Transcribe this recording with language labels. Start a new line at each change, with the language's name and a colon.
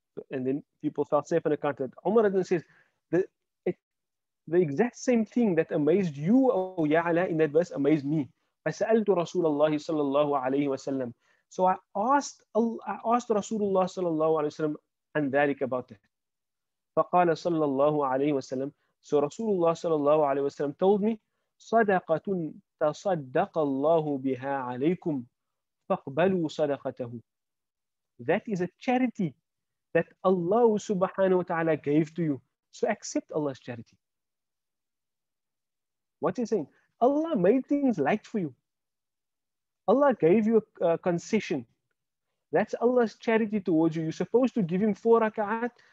English: And then people felt safe on account of it. Umar then says, the exact same thing that amazed you, O Ya'la, in that verse amazed me.
Arabic: فَسَأَلْتُ رَسُولَ اللَّهِ صَلَى اللَّهُ عَلَيْهِ وَسَلَّمْ.
English: So I asked Rasulullah
Arabic: صلى الله عليه وسلم عن ذلك
English: about that.
Arabic: فقال صلى الله عليه وسلم.
English: So Rasulullah
Arabic: صلى الله عليه وسلم
English: told me,
Arabic: صَدَقَةٌ تَصَدَّقَ اللَّهُ بِهَا عَلَيْكُمْ فَاقْبَلُوا صَدَقَتَهُ.
English: That is a charity that Allah subhanahu wa ta'ala gave to you. So accept Allah's charity. What is he saying? Allah made things light for you. Allah gave you a concession. That's Allah's charity towards you. You're supposed to give him 4 rakat.